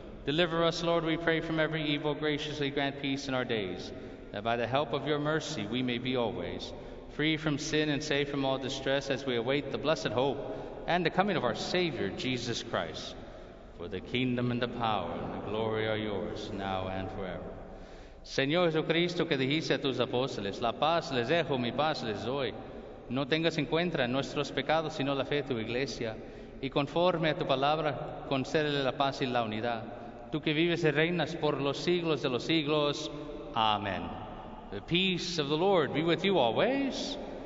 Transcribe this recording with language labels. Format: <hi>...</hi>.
<en>Deliver us, Lord, we pray, from every evil. Graciously grant peace in our days, that by the help of your mercy we may be always free from sin and safe from all distress as we await the blessed hope and the coming of our Savior, Jesus Christ. For the kingdom and the power and the glory are yours, now and forever.</en> <es>Señor Jesucristo, que dijiste a tus apóstoles, la paz les dejo, mi paz les doy. No tengas en cuenta nuestros pecados, sino la fe de tu iglesia. Y conforme a tu palabra, concédele la paz y la unidad. Tú que vives y reinas por los siglos de los siglos. Amen.</es> <en>The peace of the Lord be with you always.</en>